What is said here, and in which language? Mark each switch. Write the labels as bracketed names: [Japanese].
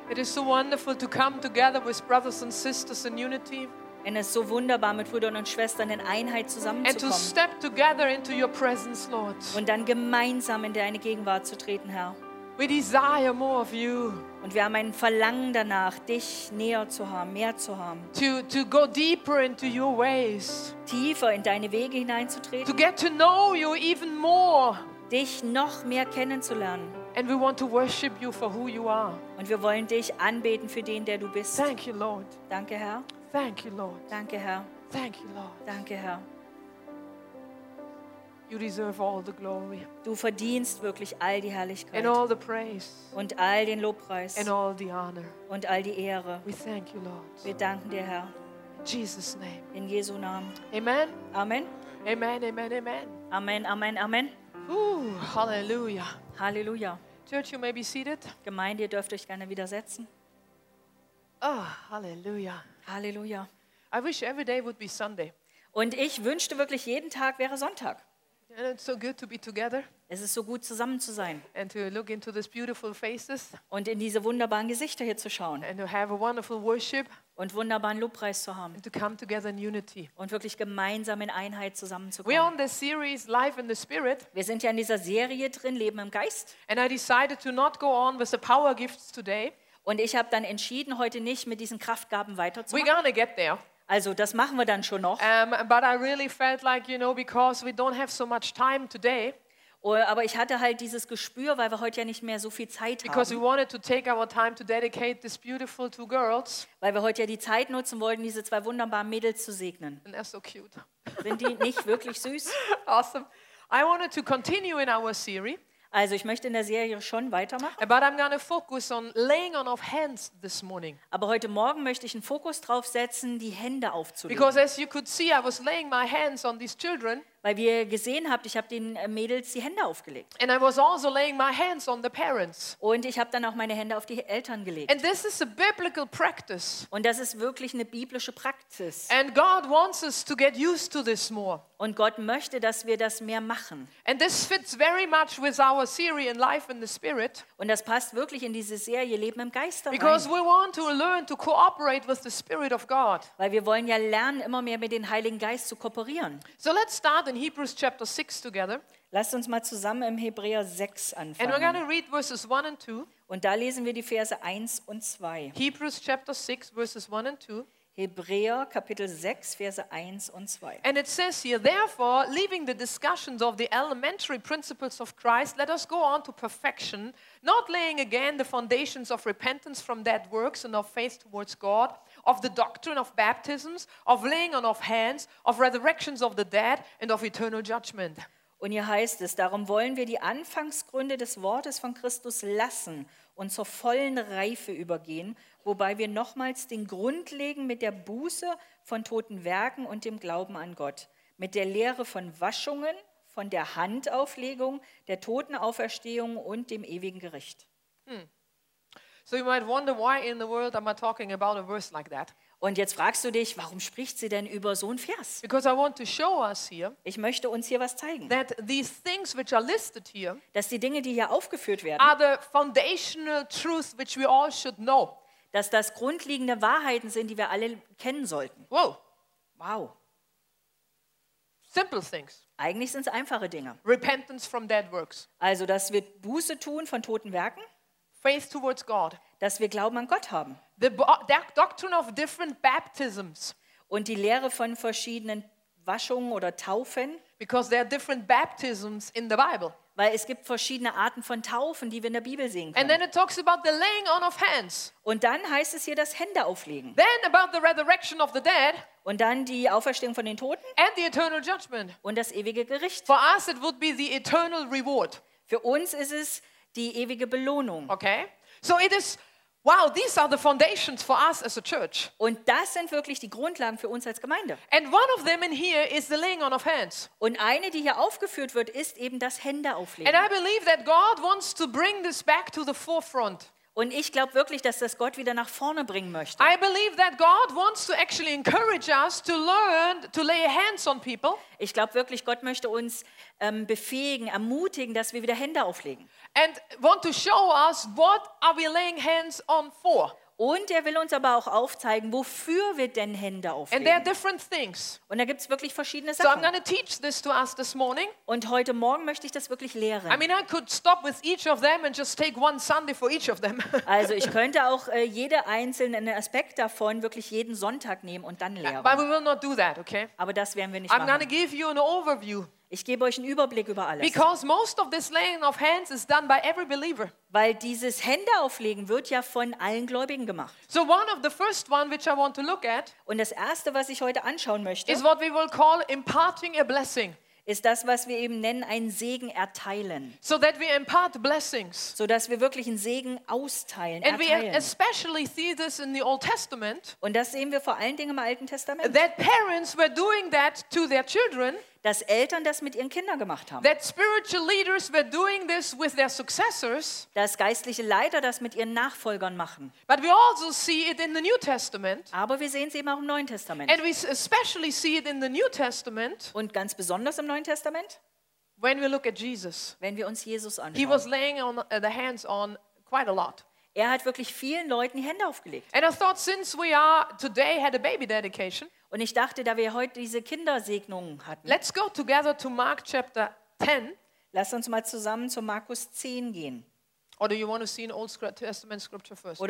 [English] It is so wonderful to come together with brothers and sisters in unity. [German] Und es ist so wunderbar, mit Brüdern und Schwestern in Einheit zusammenzukommen. [English] And to step together into your presence, Lord. [German] Und dann gemeinsam in deine Gegenwart zu treten, Herr. [English] We desire more of you. [German] Und wir haben ein Verlangen danach, dich näher zu haben, mehr zu haben. [English] To go deeper into your ways. [German] Tiefer in deine Wege hineinzutreten. [English] To get to know you even more. [German] Dich noch mehr kennenzulernen. [English] And we want to worship you for who you are. [German] Und wir wollen dich anbeten für den, der du bist. [English] Thank you, Lord. [German] Danke, Herr. [English] Thank you, Lord. [German] Danke, Herr. [English] Thank you, Lord. [German] Danke, Herr. [English] You deserve all the glory. [German] Du verdienst wirklich all die Herrlichkeit. [English] And all the praise. [German] Und all den Lobpreis. [English] And all the honor. [German] Und all die Ehre. [English] We thank you, Lord. [German] Wir danken dir, Herr. [English] In Jesus' name. [German] In Jesu Namen. [English] Amen. [German] Amen. [English] Amen. Amen. Amen. [German] Amen. Amen. Amen. [English] Ooh, hallelujah. [German] Hallelujah. [English] Church, you may be seated. [German] Gemeinde, ihr dürft euch gerne wieder setzen. [English] Oh, hallelujah. [German] Hallelujah. [English] I wish every day would be Sunday. [German] Und ich wünschte wirklich, jeden Tag wäre Sonntag. [English] And it's so good to be together. [German] Es ist so gut, zusammen zu sein. [English] And to look into these beautiful faces. [German] Und in diese wunderbaren Gesichter hier zu schauen. [English] And to have a wonderful worship. [German] Und wunderbaren Lobpreis zu haben. [English] And to come together in unity. [German] Und wirklich gemeinsam in Einheit zusammenzukommen. [English] We're on this series, Life in the Spirit. [German] Wir sind ja in dieser Serie drin, Leben im Geist. [English] And I decided to not go on with the power gifts today. [German] Und ich habe dann entschieden, heute nicht mit diesen Kraftgaben weiterzumachen. [English] We're gonna get there. [German] Also, das machen wir dann schon noch. [English] But I really felt like, you know, because we don't have so much time today. [German] Aber ich hatte halt dieses Gespür, weil wir heute ja nicht mehr so viel Zeit haben. [English] Because we wanted to take our time to dedicate these beautiful two girls. [German] Weil wir heute ja die Zeit nutzen wollten, diese zwei wunderbaren Mädels zu segnen. [English] And they're so cute. [German] Sind die nicht wirklich süß? [English] Awesome. I wanted to continue in our series. [German] Also, ich möchte in der Serie schon weitermachen. [English] But I'm gonna focus on laying on of hands this morning. [German] Aber heute Morgen möchte ich einen Fokus drauf setzen, die Hände aufzulegen. [English] Because as you could see, I was laying my hands on these children. [German] Weil wie ihr gesehen habt, ich habe den Mädels die Hände aufgelegt. [English] And I was also laying my hands on the parents. [German] Und ich habe dann auch meine Hände auf die Eltern gelegt. [English] And this is a biblical practice. [German] Und das ist wirklich eine biblische Praxis. [English] And God wants us to get used to this more. [German] Und Gott möchte, dass wir das mehr machen. [English] And this fits very much with our series in Life in the Spirit. [German] Und das passt wirklich in diese Serie Leben im Geist rein. [English] Because we want to learn to cooperate with the Spirit of God. [German] Weil wir wollen ja lernen, immer mehr mit dem Heiligen Geist zu kooperieren. [English] So let's start in Hebrews chapter 6 together. [German] Lasst uns mal zusammen im Hebräer 6 anfangen. [English] And we're going to read verses 1 and 2. [German] Und da lesen wir die Verse 1 und 2. [English] Hebrews chapter 6 verses 1 and 2. [German] Hebräer Kapitel 6 Verse 1 und 2. [English] And it says here, therefore, leaving the discussions of the elementary principles of Christ, let us go on to perfection, not laying again the foundations of repentance from dead works and of faith towards God, of the doctrine of baptisms, of laying on of hands, of resurrections of the dead, and of eternal judgment. [German] Und hier heißt es, darum wollen wir die Anfangsgründe des Wortes von Christus lassen und zur vollen Reife übergehen, wobei wir nochmals den Grund legen mit der Buße von toten Werken und dem Glauben an Gott, mit der Lehre von Waschungen, von der Handauflegung, der Totenauferstehung und dem ewigen Gericht. [English] So you might wonder why in the world am I talking about a verse like that. [German] Und jetzt fragst du dich, warum spricht sie denn über so einen Vers? [English] Because I want to show us here. [German] Ich möchte uns hier was zeigen. [English] That these things which are listed here. [German] Dass die Dinge, die hier aufgeführt werden. [English] Are the foundational truths which we all should know. [German] Dass das grundlegende Wahrheiten sind, die wir alle kennen sollten. [English] Wow. [German] Wow. [English] Simple things. [German] Eigentlich sind es einfache Dinge. [English] Repentance from dead works. [German] Also, dass wir Buße tun von toten Werken. [English] Faith towards God. [German] Dass wir Glauben an Gott haben. [English] The doctrine of different baptisms. [German] Und die Lehre von verschiedenen Waschungen oder Taufen. [English] Because there are different baptisms in the Bible. [German] Weil es gibt verschiedene Arten von Taufen, die wir in der Bibel sehen können. [English] And then it talks about the laying on of hands. [German] Und dann heißt es hier das Hände auflegen. [English] Then about the resurrection of the dead. [German] Und dann die Auferstehung von den Toten. [English] And the eternal judgment. [German] Und das ewige Gericht. [English] For us it would be the eternal reward. [German] Für uns ist es die ewige Belohnung. [English] Okay. So it is, wow, these are the foundations for us as a church. [German] Und das sind wirklich die Grundlagen für uns als Gemeinde. [English] And one of them in here is the laying on of hands. [German] Und eine, die hier aufgeführt wird, ist eben das Hände auflegen. [English] And I believe that God wants to bring this back to the forefront. [German] Und ich glaube wirklich, dass das Gott wieder nach vorne bringen möchte. [English] I believe that God wants to actually encourage us to learn to lay hands on people. [German] Ich glaube wirklich, Gott möchte uns befähigen, ermutigen, dass wir wieder Hände auflegen. [English] And want to show us what are we laying hands on for. [German] Und er will uns aber auch aufzeigen, wofür wir denn Hände auflegen. [English] And there are different things. [German] Und da gibt es wirklich verschiedene Sachen. [English] So I'm going to teach this to us this morning. [German] Und heute Morgen möchte ich das wirklich lehren. [English] I mean, I could stop with each of them and just take one Sunday for each of them. [German] Also ich könnte auch jede einzelnen Aspekt davon wirklich jeden Sonntag nehmen und dann lehren. [English] But we will not do that, okay? [German] Aber das werden wir nicht machen. [English] I'm going to give you an overview. [German] Ich gebe euch einen Überblick über alles. [English] Because most of this laying of hands is done by every believer. [German] Weil dieses Händeauflegen wird ja von allen Gläubigen gemacht. [English] So one of the first one which I want to look at. [German] Und das erste, was ich heute anschauen möchte, [English] is what we will call imparting a blessing. [German] Ist das, was wir eben nennen, einen Segen erteilen. [English] So that we impart blessings. [German] So dass wir wirklich einen Segen austeilen, [English] and [German] erteilen. [English] And we especially see this in the Old Testament. [German] Und das sehen wir vor allen Dingen im Alten Testament. [English] That parents were doing that to their children. [German] Dass Eltern das mit ihren Kindern gemacht haben. [English] That spiritual leaders were doing this with their successors. [German] Dass geistliche Leiter das mit ihren Nachfolgern machen. [English] But we also see it in the New Testament. [German] Aber wir sehen es eben auch im Neuen Testament. [English] And we especially see it in the New Testament. [German] Und ganz besonders im Neuen Testament. [English] When we look at Jesus. [German] Wenn wir uns Jesus anschauen. [English] He was laying on the hands on quite a lot. [German] Er hat wirklich vielen Leuten die Hände aufgelegt. [English] And I thought since we are today had a baby dedication. [German] Und ich dachte, da wir heute diese Kindersegnungen hatten. [English] Let's go together to Mark chapter 10. [German] Lass uns mal zusammen zu Markus 10 gehen. [English] Or do you want to see an Old Testament scripture first?